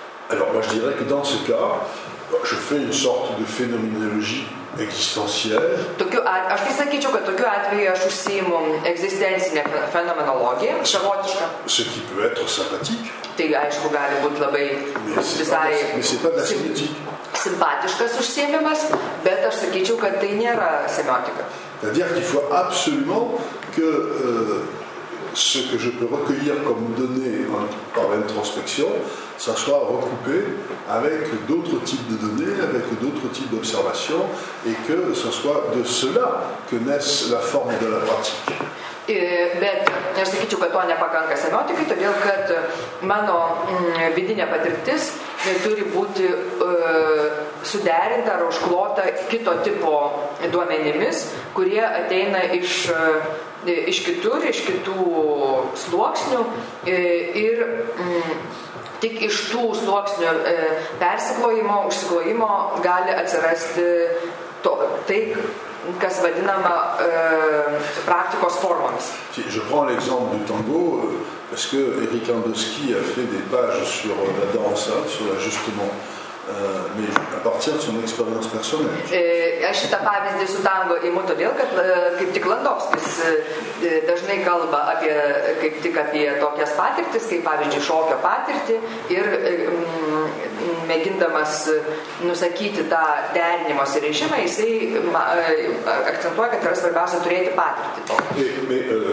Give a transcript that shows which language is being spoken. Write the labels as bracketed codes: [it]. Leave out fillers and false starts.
[fr] Alors moi je dirais que dans ce cas Je fais une sorte de phénoménologie existentielle. [lt] Tokiu at, aš tai sakyčiau, kad tokiu atveju aš užsiimu egzistencinę fenomenologiją, savotišką. [fr] Ce qui peut être sympathique. [lt] Tai aišku gali būti labai visai simpatiškas užsiėmimas, bet aš sakyčiau, kad tai nėra semiotika. [fr] C'est-à-dire qu'il faut absolument que ce que je peux recueillir comme données hein, par l'introspection, ça soit recoupé avec d'autres types de données, avec d'autres types d'observations, et que ce soit de cela que naisse la forme de la pratique. [lt] Bet aš sakyčiau, kad to nepakanka semiotikai, todėl kad mano vidinė patirtis turi būti suderinta ar užklota kito tipo duomenimis, kurie ateina iš, iš kitur, iš kitų sluoksnių ir tik iš tų sluoksnių persiklojimo, užsiklojimo gali atsirasti to, tai, kas vadinama praktikos formomis. [fr] Si, je prends l'exemple du tango, parce que Eric Andowski a fait des pages sur la danse, hein, sur l'ajustement, mais à partir de son expérience personnelle. [lt] Aš šitą pavyzdį su tango imu todėl, kad kaip tik Landovskis dažnai kalba apie, kaip tik apie tokias patirtis, kaip pavyzdžiui šokio patirtį ir mėgindamas nusakyti tą derinimo režimą, jisai akcentuoja, kad yra svarbiausia turėti patirtį.